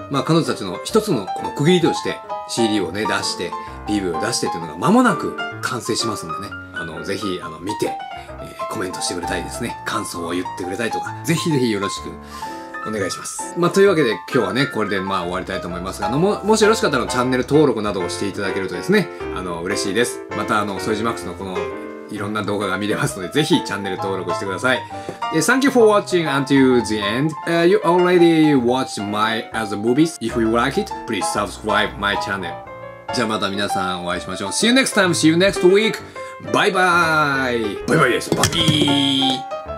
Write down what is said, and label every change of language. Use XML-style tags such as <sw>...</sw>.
<ja>まあ彼女たちの一つのこの区切りとして CD をね出して、 PV を出してというのが間もなく完成しますんでね、ぜひ見て、コメントしてくれたりですね、感想を言ってくれたりとか、ぜひぜひよろしくお願いします。まあというわけで今日はねこれでまあ終わりたいと思いますが、もしよろしかったらチャンネル登録などをしていただけるとですね、嬉しいです。またソイジマックスのこのいろんな動画が見れますので、ぜひチャンネル登録してください。</ja> <en>Thank you for watching until the end、you already watched my other movies. If you like it, please subscribe my channel.</en> <ja>じゃあまた皆さんお会いしましょう。</ja> <en>See you next time. See you next week. Bye bye.</en> <ja>Bye bye です。バイバイ。</ja>